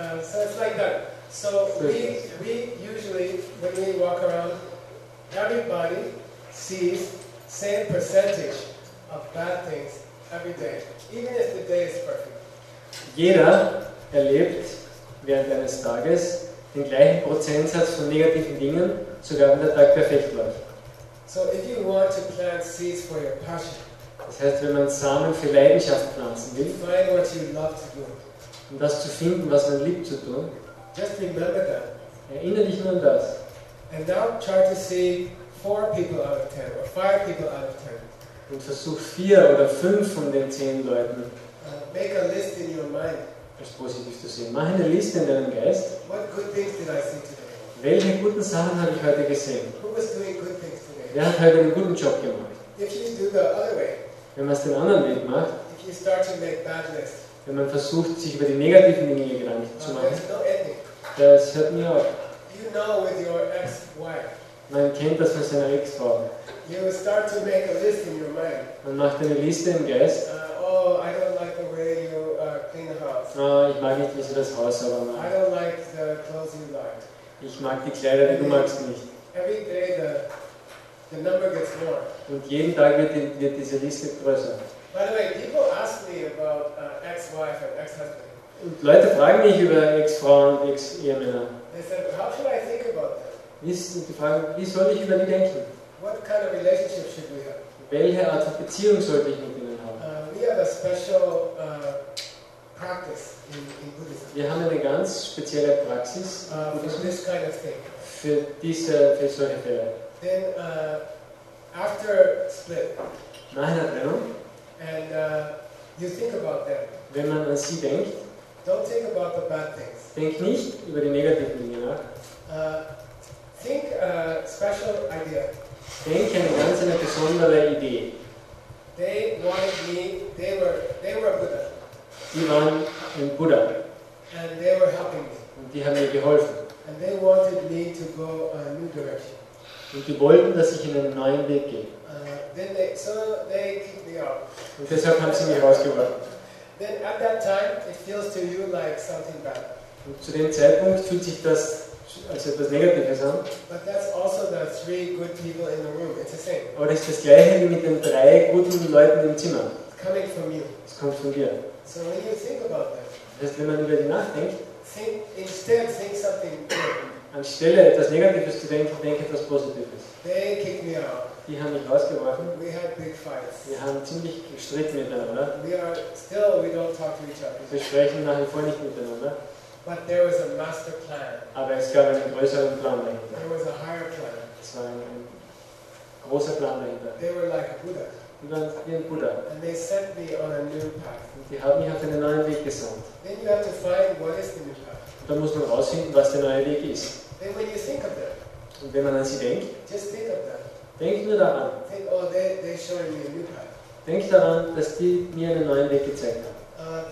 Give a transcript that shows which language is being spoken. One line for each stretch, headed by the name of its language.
English: So it's like that. So we usually, when we walk around, everybody sees same percentage of bad things every day. Even if the day is perfect.
German: Jeder erlebt während eines Tages den gleichen Prozentsatz von negativen Dingen, sogar wenn der Tag perfekt läuft.
English: So if you want to plant seeds for your passion,
German: das heißt, wenn man Samen für Leidenschaft pflanzen will,
English: find what you love to do.
German: Um das zu finden, was man liebt zu tun,
English: just remember that.
German: Erinnere dich nur an das.
English: And now try to see 4 people out of 10 or 5 people out of 10.
German: Und versuch 4 oder 5 von den 10 Leuten.
English: Make a list in your mind.
German: Das ist positiv zu sehen. Mach eine Liste in deinem Geist.
English: What good things did I see today?
German: Welche guten Sachen habe ich heute gesehen?
English: Who was doing good things today?
German: Wer hat heute einen guten Job gemacht?
English: If you do the other way,
German: wenn man es den anderen Weg macht,
English: if you start to make bad lists,
German: wenn man versucht, sich über die negativen Dinge Gedanken zu machen,
English: no ethic.
German: Das hört nie auf.
English: You know with your ex-wife.
German: Man kennt das von seiner Ex-Frau.
English: You start to make a list in your mind.
German: Man macht eine Liste im Geist.
English: Oh, I don't like the way you clean the house.
German: No, ich mag nicht, wie du das Haus sauber machst.
English: I don't like the clothes you like.
German: Ich mag die Kleider, die du magst nicht.
English: Every day the number gets more.
German: Und jeden Tag wird diese Liste größer.
English: By the way, people ask me about ex-wife and ex-husband.
German: Und Leute fragen mich über Ex-Frauen und Ex-Ehemänner.
English: They said, how should I think about that?
German: Die fragen, wie soll ich über die denken?
English: What kind of relationship should we have?
German: Welche Art von Beziehung sollte ich mit ihnen haben?
English: We have a special practice in Buddhism.
German: Wir haben eine ganz spezielle Praxis
English: for this kind of thing.
German: Für solche Fälle.
English: Then after split.
German: Nach einer Trennung.
English: And you think about them.
German: Wenn man an sie denkt.
English: Don't think about the bad things.
German: Denk nicht über die negativen Dinge nach.
English: Think a special idea.
German: Denk an eine besondere Idee.
English: They wanted me, they were a Buddha.
German: Die waren ein Buddha.
English: And they were helping me.
German: Und die haben mir geholfen.
English: And they wanted me to go a new direction.
German: Und die wollten, dass ich in einen neuen Weg gehe.
English: Then they kicked me out.
German: Und deshalb haben sie mich rausgeworfen.
English: Then at that time it feels to you like something bad.
German: Und zu dem Zeitpunkt fühlt sich das als etwas Negatives an.
English: But that's also the three good people in the room. It's the same.
German: Aber es ist das gleiche wie mit den drei guten Leuten im Zimmer.
English: It's coming from you.
German: Es kommt von dir.
English: So when you think about that.
German: Das, wenn man über die nachdenkt.
English: Think, instead think something good.
German: Anstelle etwas Negatives zu denken, denke etwas Positives.
English: They kicked me out.
German: Die haben mich rausgeworfen.
English: We had big fights.
German: Wir haben ziemlich gestritten miteinander.
English: We are still, we don't talk to each other.
German: Wir sprechen nach wie vor nicht miteinander.
English: But there was a master plan.
German: Aber es gab einen größeren Plan dahinter.
English: There was a higher plan.
German: Es war ein großer Plan dahinter.
English: They were like a Buddha.
German: Die waren wie ein Buddha.
English: And they sent me on a new path.
German: Und die haben mich auf einen neuen Weg gesandt.
English: Then you have to find what is the new path.
German: Dann muss man rausfinden, was der neue Weg ist.
English: And when you think of that,
German: und wenn man an sie denkt,
English: just think of that.
German: Denk nur daran.
English: Think, oh, they showed me a new path.
German: Denk daran, dass die mir einen neuen Weg gezeigt haben.